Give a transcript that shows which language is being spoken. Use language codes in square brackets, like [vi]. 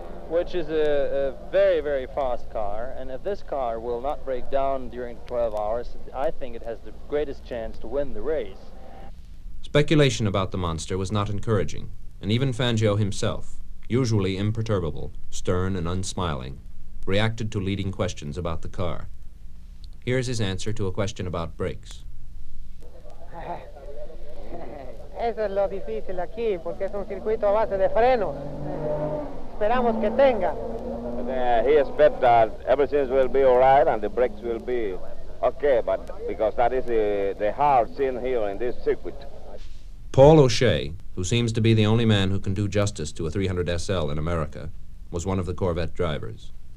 [en] which is a very, very fast car, and if this car will not break down during 12 hours, I think it has the greatest chance to win the race. Speculation about the monster was not encouraging, and even Fangio himself, usually imperturbable, stern and unsmiling, reacted to leading questions about the car. Here's his answer to a question about brakes. [es] Es lo difícil aquí, porque es un circuito a base de frenos. Esperamos que tenga. [en] He has bet that everything will be all right and the brakes will be okay, but because that is the hard scene here in this circuit. Paul O'Shea, who seems to be the only man who can do justice to a 300 SL in America, was one of the Corvette drivers.